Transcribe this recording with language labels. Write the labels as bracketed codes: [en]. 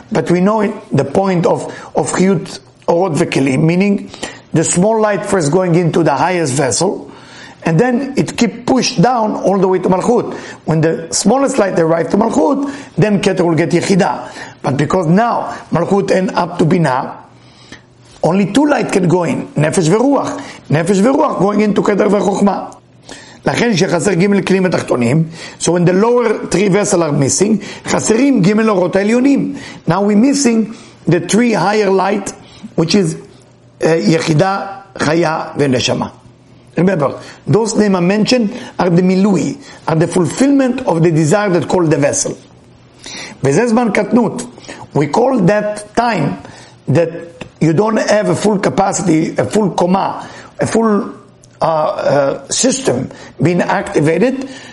[en] But we know the point of chiyut, Orot v'kelim, meaning the small light first going into the highest vessel, and then it keep pushed down all the way to Malchut. When the smallest light arrives to Malchut, then Keter will get Yechida. But because now Malchut end up to Bina, only two light can go in, Nefesh v'Ruach. Nefesh v'Ruach going into Keter v'Chokmah. [he] לכן שחסר גימל כלים התחתונים, [en] so when the lower three vessels are missing, [he] חסרים גימל אורות העליונים. [en] Now we're missing the three higher light, which is Yechida, Chaya, v'Neshama. Remember, those names I mentioned are the milui, are the fulfillment of the desire that called the vessel. [he] וזה זמן קטנות. [en] We call that time that you don't have a full capacity, a full coma, a full system being activated.